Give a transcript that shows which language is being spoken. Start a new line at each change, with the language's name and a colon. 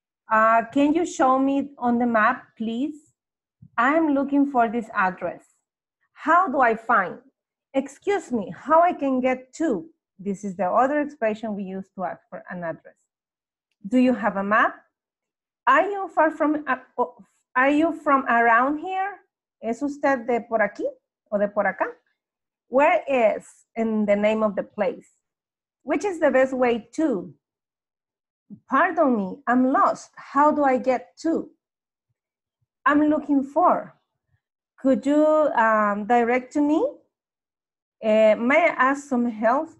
English: Can you show me on the map, please? I'm looking for this address. How do I find? Excuse me, how I can get to? This is the other expression we use to ask for an address. Do you have a map? Are you far from, are you from around here?
Spanish: ¿Es usted de por aquí o de por acá?
English: Where is in the name of the place? Which is the best way to? Pardon me, I'm lost. How do I get to? I'm looking for. Could you direct to me? May I ask some help?